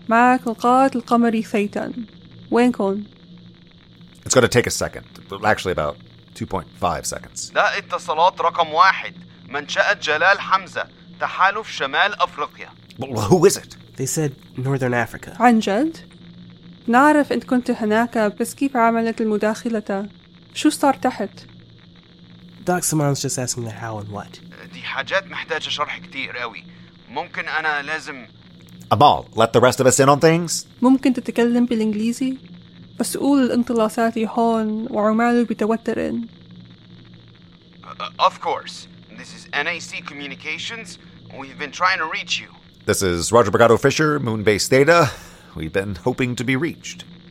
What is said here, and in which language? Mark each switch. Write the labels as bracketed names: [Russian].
[Arabic] معك القائد القمري ثيتان. وين كون? [English] It's gonna take a second. Actually, about 2.5 seconds. [Arabic] لا اتصالات رقم واحد. منشأة جلال حمزة. تحالف شمال أفريقيا. [English] Well, who is it? They said Northern Africa. [Arabic] عن جد? نعرف انت كنت هناك بس كيف عملت المداخلة? شو صار تحت? [English] Doc Simon's just asking the how and what. [Arabic] دي حاجات محتاجة شرح كتير قوي. ممكن أنا لازم... [English] Amal, let the rest of us in on things? [Arabic] ممكن تتكلم بالإنجليزي؟ مسؤول الانطلاسات هون وعماله بتوتر. [English] Of course. This is NAC Communications. We've been trying to reach you. This is Roger Brigado Fisher, Moonbase Data. We've been hoping to be reached.